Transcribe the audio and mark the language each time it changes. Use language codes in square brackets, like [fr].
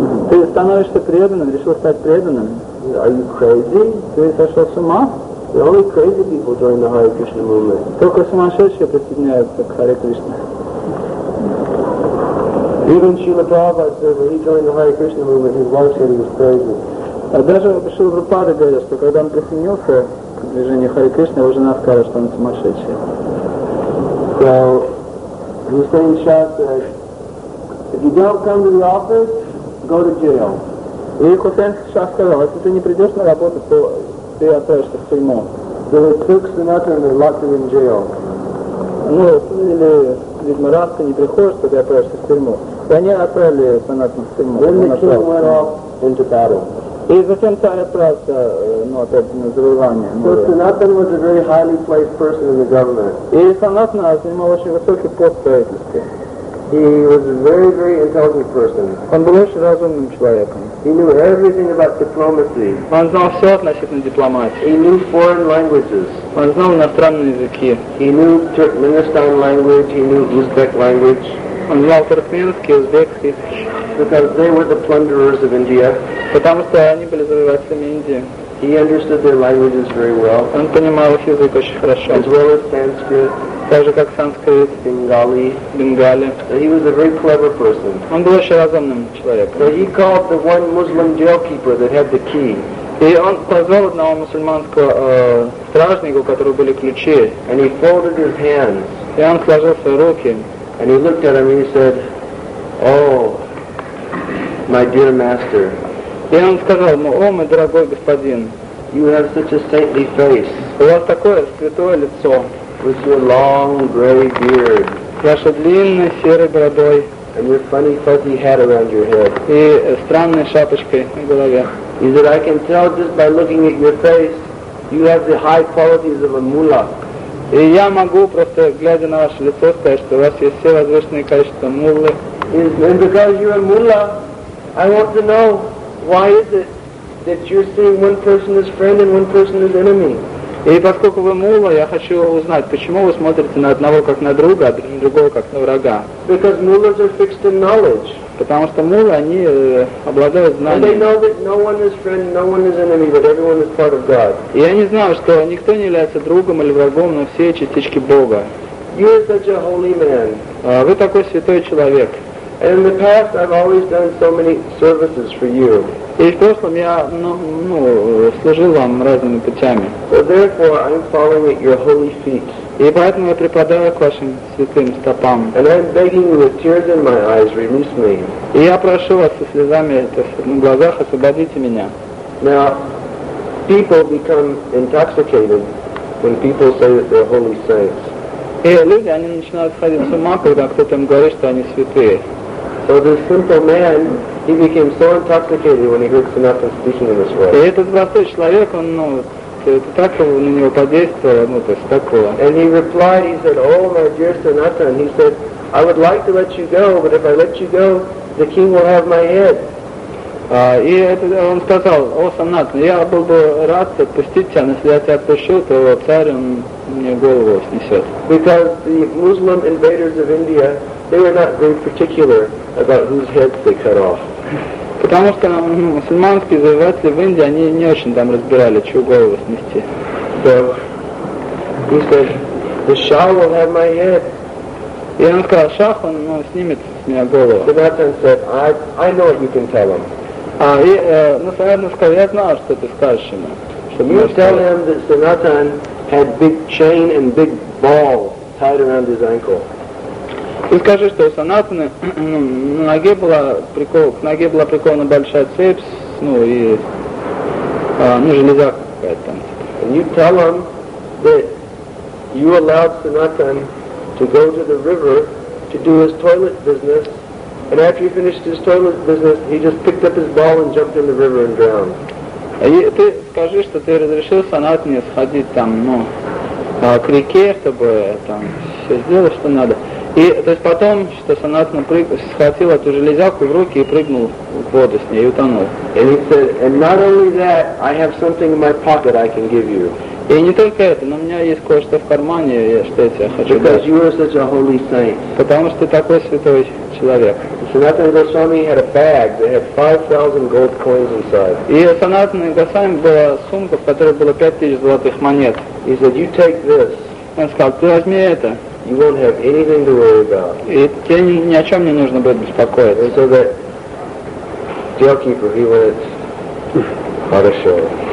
[ru] Ты становишься преданным, решил стать преданным. [en] Are you crazy? [ru] Ты сошел с ума? [en] The only crazy people join the Hare Krishna movement. [ru] Только сумасшедшие присоединяются к Харе Кришне. [en] Even Srila Prabhupada said, when he joined the Hare Krishna movement, his wife said he was crazy. [ru] Даже Шрила Прабхупада говорил, что когда он присоединился к движению Харе Кришна, его жена сказала, что он сумасшедший. [en] So, Hussein Shah said, if you don't come to the office, go to jail. [ru] И Хусейн Шах сказал, если ты не придешь на работу, то ты отправишься в тюрьму. [en] So they took Sanatana and locked him in jail. [ru] Ну, или, видимо, раз ты не приходишь, то ты отправишься в тюрьму. И они отправили Sanatana в тюрьму. [en] Then the king went off into battle. [ru] И затем царь отправился, ну, опять на завоевание. [en] So Sanatana was a very highly placed person in the government. [ru] И Sanatana занимал очень высокий пост в правительстве. [en] He was a very, very intelligent person. [ru] Он был очень разумным человеком. [en] He knew everything about diplomacy. [ru] Он знал все относительно дипломатии. [en] He knew foreign languages. [ru] Он знал иностранные языки. [en] He knew Turkmenistan language, he knew Uzbek language. [ru] Он знал туркменский, узбекский. [en] Because they were the plunderers of India. [ru] Потому что они были завоевателями Индии. [en] He understood their languages very well. [ru] Он понимал их язык очень хорошо. [en] As well as Sanskrit. [ru] Так же как санскрит. [en] Bengali. [ru] Бенгали. [en] So he was a very clever person. [ru] Он был очень разумным человеком. [en] So he called the one Muslim jailkeeper that had the key. [ru] И он позвал одного мусульманского стражника, у которого были ключи. [en] And he folded his hands. [ru] И он сложил свои руки. [en] And he looked at him and he said, "Oh, my dear master." [ru] И он сказал ему, о, мой дорогой господин, [en] you have such a saintly face. [ru] У вас такое святое лицо. [en] With your long gray beard. [ru] Ваша длинной серой бородой. [en] And your funny fuzzy hat around your head. [ru] И странной шапочкой на голове. [en] He said, I can tell just by looking at your face, you have the high qualities of a mullah. [ru] И я могу, просто глядя на ваше лицо, сказать, что у вас есть все возвышенные качества муллы. [en] And because you're a mullah, I want to know, why is it that you're seeing one person as friend and one person as enemy? [ru] И поскольку вы мулла, я хочу узнать, почему вы смотрите на одного как на друга, а на другого как на врага? [en] Because mullahs are fixed in knowledge. [ru] Потому что муллы, они обладают знанием. [en] And they know that no one is friend, no one is enemy, but everyone is part of God. [ru] И они знают, что никто не является другом или врагом, но все частички Бога. [en] You are such a holy man. [ru] Вы такой святой человек. [en] And in the past, I've always done so many services for you. [ru] И в прошлом я, ну, служил вам разными путями. [en] So therefore, I'm following at your holy feet. [ru] И поэтому я преподаю к вашим святым стопам. [en] And I'm begging you with tears in my eyes, release me. [ru] И я прошу вас со слезами на глазах, освободите меня. [en] Now, people become intoxicated when people say that they're holy saints. [ru] И люди, они начинают сходить с ума, когда кто-то им говорит, что они святые. [en] So this simple man, he became so intoxicated when he heard Sanatana speaking in this way. [ru] И этот простой человек, он, ну, так на него подействовало, ну, то есть такого. [en] And he replied, he said, oh, my dear Sanatana, he said, I would like to let you go, but if I let you go, the king will have my head. [ru] И это, он сказал, о, Санат, я был бы рад отпустить тебя, но если я тебя отпущу, то царь, он мне голову снесет. [en] Because the Muslim invaders of India, they are not very particular about whose heads they cut off. [ru] Потому что мусульманские завоеватели в Индии, они не очень там разбирали, чью голову снести. [en] So, he said, the Shah will have my head. [ru] И он сказал, Шах, он снимет с меня голову. [en] The Shah said, I know what you can tell him. [ru] Саядна сказал, я знал, что ты скажешь ему. [en] You tell him that Sanatan had big chain and big ball tied around his ankle. [ru] Ты скажи, что у Санатаны к ноге была прикована большая цепь, железа какая-то там. [en] And you tell him that you allowed Sanatan to go to the river to do his toilet business. And after he finished his toilet business, he just picked up his ball and jumped in the river and drowned. [ru] И ты скажи, что ты разрешил Санатане сходить там, к реке, чтобы там все сделать, что надо. И то есть потом, что Санатана схватил эту железяку в руки и прыгнул в воду с ней и утонул. [en] And he said, and not only that, I have something in my pocket I can give you. [ru] И не только это, но у меня есть кое-что в кармане, что я тебе хочу дать. [en] Because you are such a holy saint. [ru] Потому что ты такой святой человек. [en] Sanatana Goswami had a bag that had 5,000 gold coins inside. [ru] И у Санатана Госвами была сумка, в которой было 5,000 золотых монет. [en] He said, you take this. [ru] Он сказал, ты возьми это. [en] You won't have anything to worry about. [ru] И тебе ни о чем не нужно будет беспокоиться. [en] And so that jailkeeper, he went, [ru] хорошо.